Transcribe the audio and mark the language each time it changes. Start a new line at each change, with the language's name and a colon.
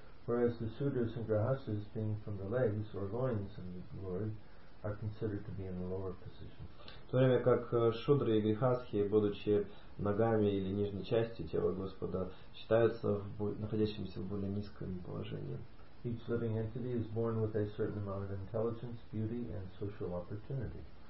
English: Whereas the sudras and grahasas, being from the legs or loins of the Lord, are considered to be in the lower position.
Russian: В то время как шудры и грихасхи, будучи ногами или нижней частью тела Господа, считаются находящимися в более низком положении.
English: Each living entity is born with a certain amount of intelligence, beauty, and social opportunity.